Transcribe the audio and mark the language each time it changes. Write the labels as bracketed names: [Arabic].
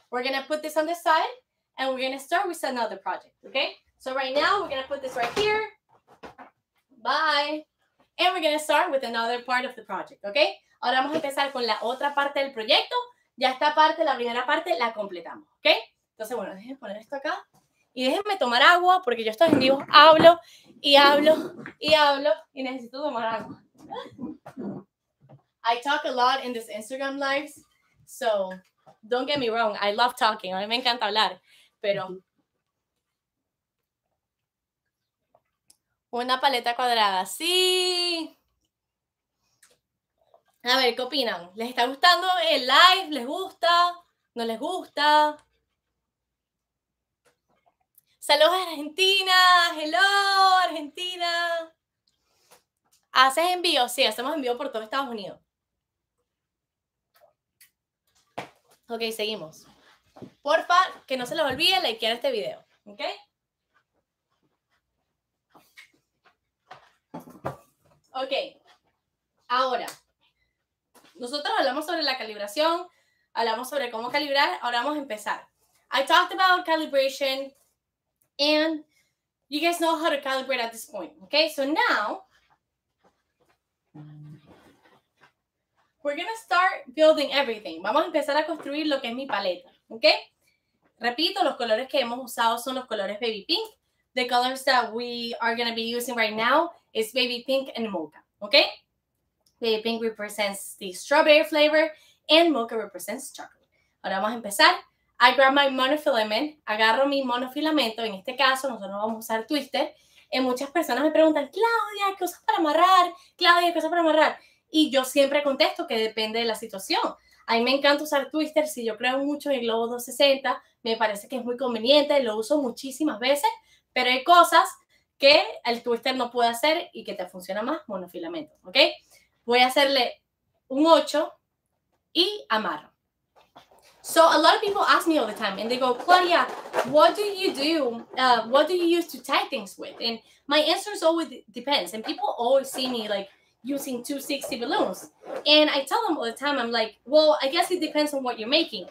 [English] We're gonna put this on the side and we're gonna start with another project, ¿ok? So right now we're gonna put this right here, bye, and we're gonna start with another part of the project, ¿ok? [Spanish] Ahora vamos a empezar con la otra parte del proyecto. Ya esta parte, la primera parte, la completamos, ¿ok? Entonces, bueno, déjenme poner esto acá. Y déjenme tomar agua, porque yo estoy en vivo. Hablo, y hablo, y hablo, y necesito tomar agua. [English] I talk a lot in this Instagram lives, so don't get me wrong. I love talking. [Spanish] A mí me encanta hablar, pero... Una paleta cuadrada, sí... A ver, ¿qué opinan? ¿Les está gustando el live? ¿Les gusta? ¿No les gusta? ¡Saludos a Argentina! ¡Hello, Argentina! ¿Haces envío? Sí, hacemos envío por todo Estados Unidos. Ok, seguimos. Porfa, que no se les olvide likear este video, ¿ok? Ok, ahora... Nosotros hablamos sobre la calibración, hablamos sobre cómo calibrar, ahora vamos a empezar. [English] I talked about calibration and you guys know how to calibrate at this point, okay? So now, we're gonna start building everything. [Spanish] Vamos a empezar a construir lo que es mi paleta, okay? Repito, los colores que hemos usado son los colores baby pink. [English] The colors that we are gonna be using right now is baby pink and mocha, okay? Baby pink represents the strawberry flavor and mocha represents chocolate. [Spanish] Ahora vamos a empezar. [English] I grab my monofilament. [Spanish] Agarro mi monofilamento. En este caso, nosotros vamos a usar twister. Y muchas personas me preguntan, Claudia, ¿qué usas para amarrar? Claudia, ¿qué usas para amarrar? Y yo siempre contesto que depende de la situación. A mí me encanta usar twister. Si yo creo mucho en el globo 260, me parece que es muy conveniente. Lo uso muchísimas veces. Pero hay cosas que el twister no puede hacer y que te funciona más monofilamento, ¿ok? Voy a hacerle un 8 y amarro. [English] So a lot of people ask me all the time and they go, Claudia, what do you do? What do you use to tie things with? And my answer is always depends. And people always see me like using 260 balloons. And I tell them all the time, I'm like, well, I guess it depends on what you're making.